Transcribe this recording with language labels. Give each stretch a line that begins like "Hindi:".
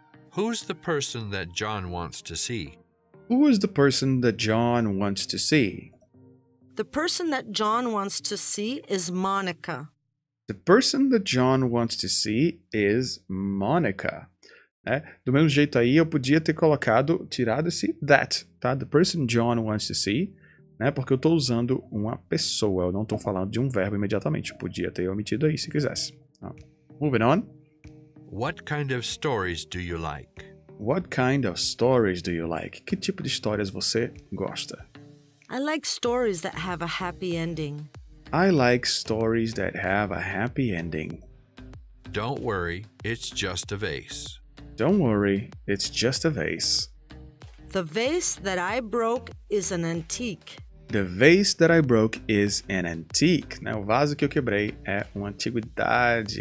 English: Who's the person that John wants to see? Who is the person that John wants to see? The person that John wants to see is Monica. The person that John wants to see is Monica.
Portuguese: Né? Do mesmo jeito aí, eu podia ter colocado, tirado esse that, tá?
English: The person John wants to see, né?
Portuguese: Porque eu tô usando uma pessoa, eu não tô falando de um verbo imediatamente. Eu podia ter omitido aí, se quisesse.
English: Tá? Moving on. What kind of stories do you like? What kind of stories do you like?
Portuguese: Que tipo de histórias você gosta?
English: I like stories that have a happy ending. I like stories that have a happy ending. Don't worry, it's just a vase. Don't worry, it's just a vase. The vase that I broke is an antique. The vase that I broke is an antique.
Portuguese: Né? O vaso que eu quebrei é uma antiguidade.